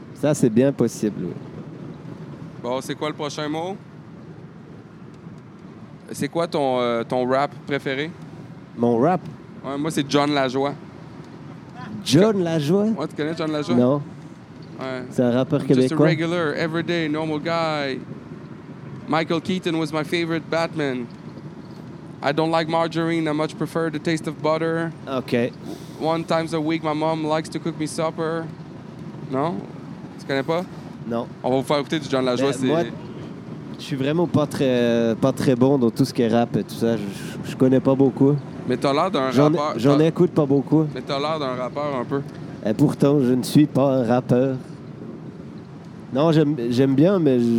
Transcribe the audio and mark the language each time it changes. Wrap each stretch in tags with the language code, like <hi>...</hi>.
<fr>Ça, c'est bien possible. Bon, c'est quoi le prochain mot? C'est quoi ton rap préféré? Mon rap? Ouais, moi, c'est John Lajoie. John Lajoie? Ouais, tu connais John Lajoie? Non. Ouais. C'est un rappeur québécois.</fr> <en>Just a regular, everyday, normal guy. Michael Keaton was my favorite Batman. I don't like margarine. I much prefer the taste of butter. Okay. One times a week, my mom likes to cook me supper.</en> <fr>Non? Tu connais pas? Non. On va vous faire écouter du John Lajoie. Ben, moi, je suis vraiment pas très bon dans tout ce qui est rap et tout ça. Je connais pas beaucoup. Mais t'as l'air d'un rappeur. J'en écoute pas beaucoup. Mais t'as l'air d'un rappeur un peu. Et pourtant, je ne suis pas un rappeur. Non, j'aime bien, mais...</fr>